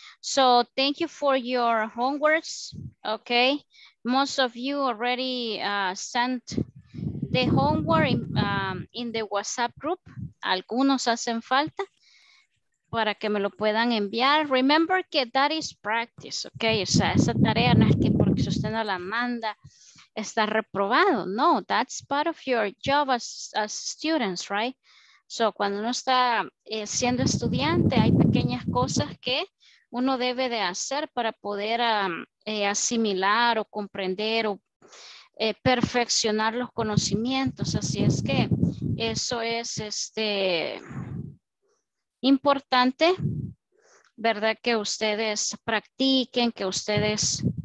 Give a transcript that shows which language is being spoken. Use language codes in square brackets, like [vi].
[en] So thank you for your homeworks. Okay, most of you already sent the homework in the WhatsApp group. [es] Algunos hacen falta para que me lo puedan enviar. Remember que [en] that is practice, okay? [es] O sea, esa tarea no es que porque usted no la manda está reprobado. [en] No, that's part of your job as students, right? [es] So cuando uno está siendo estudiante, hay pequeñas cosas que uno debe de hacer para poder asimilar o comprender o perfeccionar los conocimientos. Así es que eso es importante, ¿verdad? Que ustedes practiquen, que ustedes